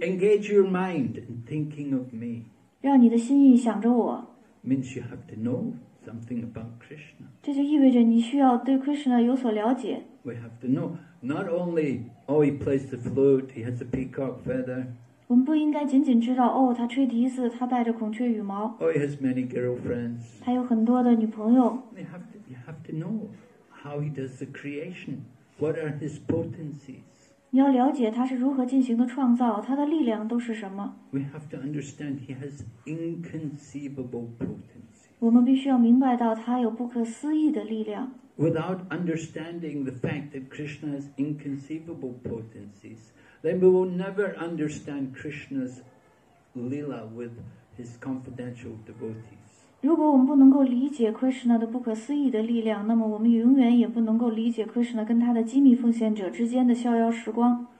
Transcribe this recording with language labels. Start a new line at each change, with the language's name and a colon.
English: Engage your mind in thinking of me
Chinese: 让你的心意想着我
English: Means you have to know something about Krishna
Chinese: 这就意味着你需要对 Krishna 有所了解
English: We have to know Not only, oh, he plays the flute, he has a peacock feather
Chinese: 我们不应该仅仅知道哦，他吹笛子他带着孔雀羽毛
English: Oh, he has many girlfriends
Chinese: 他有很多的女朋友
English: You have to know how he does the creation. What are his potencies?
Chinese: 你要了解他是如何进行的创造，他的力量都是什么。
English: We have to understand he has inconceivable potencies.
Chinese: 我们必须要明白到他有不可思议的力量。
English: Without understanding the fact that Krishna has inconceivable potencies, then we will never understand Krishna's lila with his confidential devotees.
Chinese: 如果我们不能够理解 Krishna 的不可思议的力量，那么我们永远也不能够理解 Krishna 跟他的机密奉献者之间的逍遥时光。